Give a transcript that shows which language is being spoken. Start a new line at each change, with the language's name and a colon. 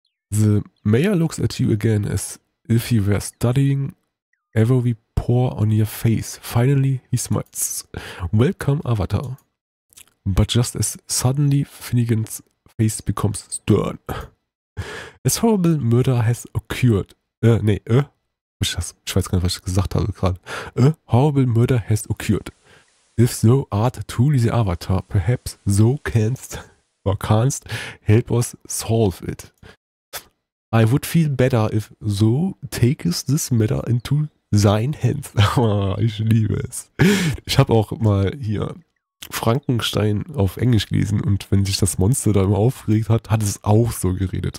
English: The mayor looks at you again as if he were studying every pore on your face. Finally, he smiles. Welcome, Avatar. But just as suddenly Finnegan's face becomes stern. A horrible murder has occurred.
German: Ich weiß gar nicht, was ich gesagt habe gerade.
English: A horrible murder has occurred. If so art truly the Avatar, perhaps so canst help us solve it. I would feel better if so takest this matter into thine hands.
German: Ich liebe es. Ich habe auch mal hier Frankenstein auf Englisch gelesen und wenn sich das Monster da immer aufgeregt hat, hat es auch so geredet.